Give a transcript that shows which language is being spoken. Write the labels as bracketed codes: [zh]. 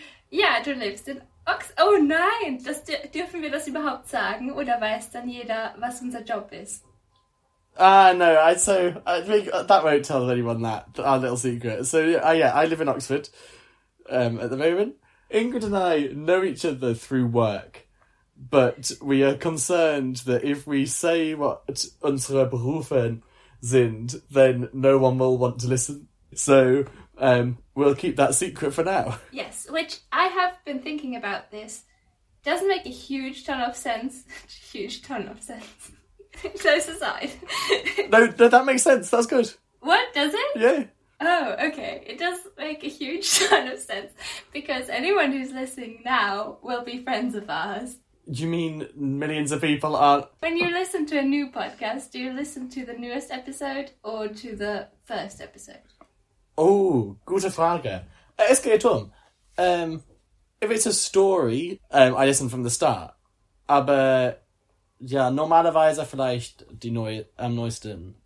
[de] Ja, du lebst in Oh nein, das dürfen wir das überhaupt sagen? Oder weiß dann jeder, was unser Job ist? [en] Ah, no, I think that won't tell anyone that, our little secret. So, I live in Oxford at the moment. Ingrid and I know each other through work, but we are concerned that if we say what [de] unsere Berufe sind, [en] then no one will want to listen. So, we'll keep that secret for now. Yes, which I have been thinking about this. Doesn't make a huge ton of sense. Huge ton of sense. Close aside. No, that makes sense. That's good. What? Does it? Yeah. Oh, okay. It does make a huge ton of sense. Because anyone who's listening now will be friends of ours. You mean millions of people aren't... When you listen to a new podcast, do you listen to the newest episode or to the first episode? [de] Oh, gute Frage. Es geht um. [en] If it's a story, I listen from the start. [de] Aber... Ja, normalerweise vielleicht die neueste.